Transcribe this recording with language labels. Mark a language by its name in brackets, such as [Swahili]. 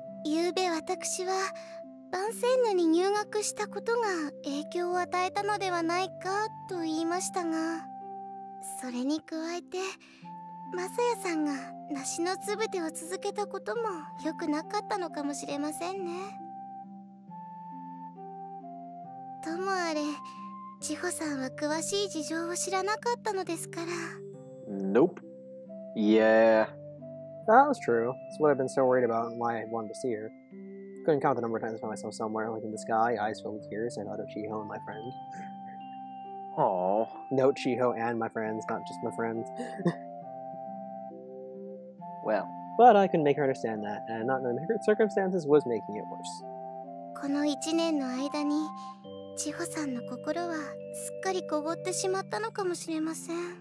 [Japanese] Yube,私は晩鮮奴に入学したことが影響を与えたのではないかと言いましたが、それに加えて、マサヤさんが梨のつぶてを続けたこともよくなかったのかもしれませんね。ともあれ、ちほさんは詳しい事情を知らなかったのですから。 [English] Nope. Yeah. That was true. That's what I've been so worried about and why I wanted to see her. Couldn't count the number of times I found myself somewhere, like in the sky, eyes filled with tears, and thought of Chiho and my friend. Aww. Note Chiho and my friends, not just my friends. Well. But I couldn't make her understand that, and not knowing her circumstances was making it worse. [Japanese] この一年の間に、千穂さんの心はすっかりこごってしまったのかもしれません。